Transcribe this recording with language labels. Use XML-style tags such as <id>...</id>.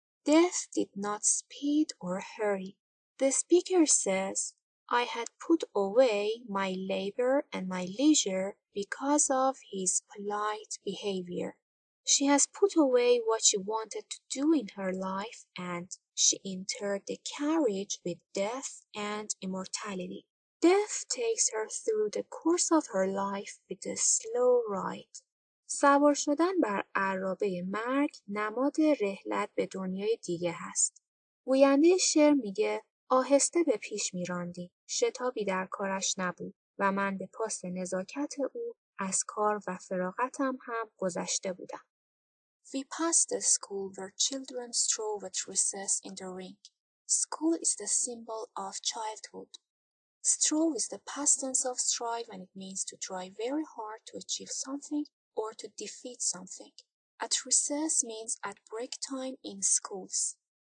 <en>Death did not speed or hurry. The speaker says, I had put away my labor and my leisure because of his polite behavior. She has put away what she wanted to do in her life and she entered the carriage with death and immortality. Death takes her through the course of her life with a slow ride.</en> <fa>سوار شدن بر عرابه مرگ نماد رحلت به دنیای دیگه هست. گوینده شعر میگه آهسته به پیش میراندی. شتابی در کارش نبود و من به پاس نزاکت او از کار و فراغتم هم گذشته بودم.</fa> <en>We passed the school where children strove at recess in the ring. School is the symbol of childhood. Strove is the past tense of strive and it means to try very hard to achieve something or to defeat something. At recess means at break time in schools.</en>